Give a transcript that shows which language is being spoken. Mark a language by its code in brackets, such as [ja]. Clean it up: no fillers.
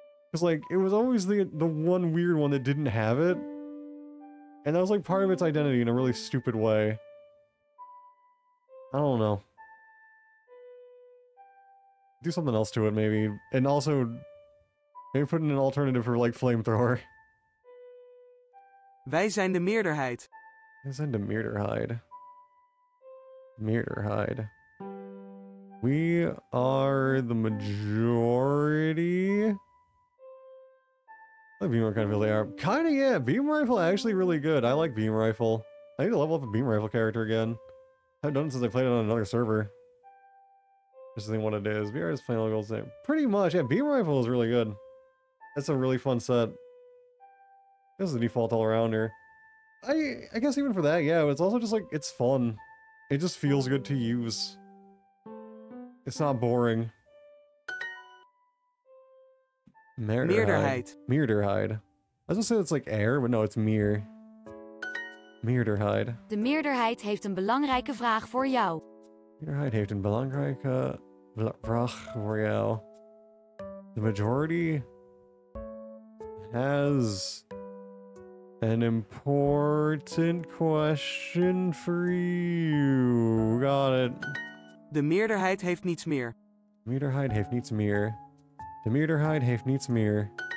[en] Because like, it was always the one weird one that didn't have it. And that was like part of its identity in a really stupid way. I don't know. Do something else to it, maybe. And also, maybe put in an alternative for, like, flamethrower. [nl] Wij zijn de meerderheid. Wij zijn de meerderheid. Meerderheid. [en] We are the majority. I like beam rifle kind of feel they are. Kinda, yeah. Beam rifle actually really good. I like beam rifle. I need to level up a beam rifle character again. I haven't done it since I played it on another server. Just think what it is. VR is final goal set. Pretty much, yeah, beam rifle is really good. That's a really fun set. This is the default all arounder. I guess even for that, yeah, it's also just like, it's fun. It just feels good to use. It's not boring. [nl] Meerderheid. Meerderheid. [en] I was gonna say it's like air, but no, it's mirror. [nl] Meerderheid. De meerderheid heeft een belangrijke vraag voor jou. Meerderheid heeft een belangrijke vraag voor jou. [en] The majority has an important question for you. Got it. [nl] De meerderheid heeft niets meer. De meerderheid heeft niets meer. De meerderheid heeft niets meer.